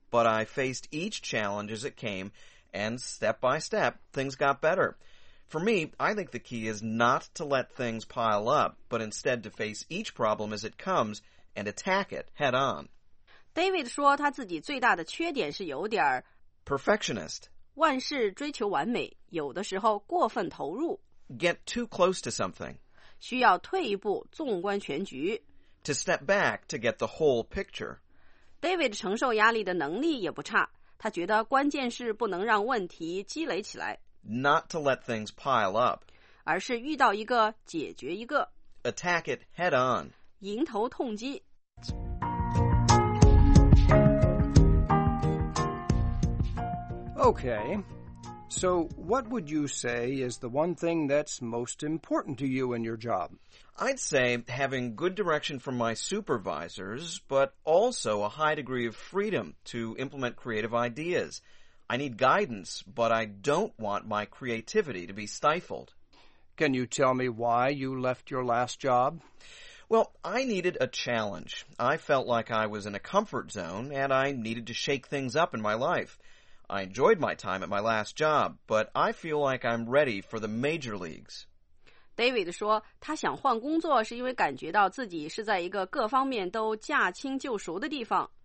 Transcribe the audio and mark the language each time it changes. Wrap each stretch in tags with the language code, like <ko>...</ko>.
<en>But I faced each challenge as it came, and step by step, things got better. For me, I think the key is not to let things pile up, but instead to face each problem as it comes and attack it head on.</en> <zh>David 说他自己最大的缺点是有点儿</zh> <en>perfectionist.</en> <zh>万事追求完美，有的时候过分投入。</zh> <en>Get too close to something.</en> <zh>需要退一步，纵观全局。</zh> <en>To step back to get the whole picture.</en> <zh>David 承受压力的能力也不差，他觉得关键是不能让问题积累起来。</zh> <en>Not to let things pile up.</en> <zh>而是遇到一个解决一个。</zh> <en>Attack it head on.</en> <zh>迎头痛击。</zh> <en>Okay, so what would you say is the one thing that's most important to you in your job? I'd say having good direction from my supervisors, but also a high degree of freedom to implement creative ideas. I need guidance, but I don't want my creativity to be stifled. Can you tell me why you left your last job? Well, I needed a challenge. I felt like I was in a comfort zone, and I needed to shake things up in my life. I enjoyed my time at my last job, but I feel like I'm ready for the major leagues.</en> <zh>David 说他想换工作是因为感觉到自己是在一个各方面都驾轻就熟的地方。</zh>